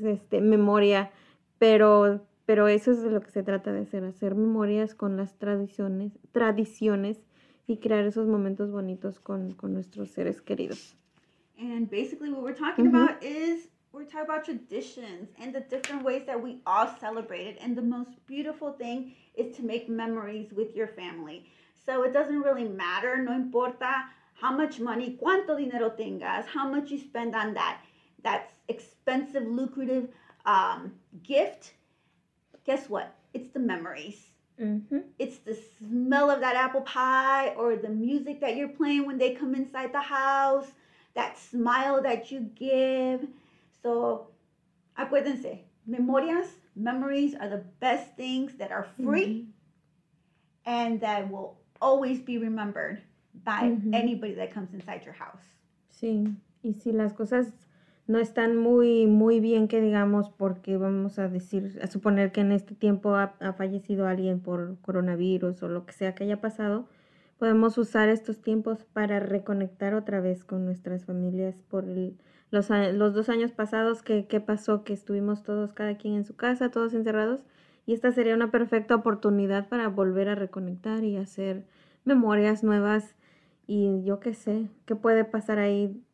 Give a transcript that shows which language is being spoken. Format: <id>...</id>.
<es>Memoria, pero eso es de lo que se trata de hacer memorias con las tradiciones y crear esos momentos bonitos con nuestros seres queridos.</es> <en>And basically what we're talking about is, we're talking about traditions and the different ways that we all celebrate it. And the most beautiful thing is to make memories with your family. So it doesn't really matter,</en> <es>no importa</es> <en>how much money,</en> <es>cuánto dinero tengas,</es> <en>how much you spend on that. That's expensive, lucrative gift. Guess what? It's the memories. It's the smell of that apple pie or the music that you're playing when they come inside the house. That smile that you give. So,</en> <es>acuérdense,</es> <en>memories are the best things that are free and that will always be remembered by anybody that comes inside your house.</en> <es>Sí, y si las cosas... no están muy, muy bien que digamos, porque vamos a decir, a suponer que en este tiempo ha fallecido alguien por coronavirus o lo que sea que haya pasado, podemos usar estos tiempos para reconectar otra vez con nuestras familias por los 2 años pasados que pasó, que estuvimos todos, cada quien en su casa, todos encerrados, y esta sería una perfecta oportunidad para volver a reconectar y hacer memorias nuevas y yo qué sé, qué puede pasar ahí.</es>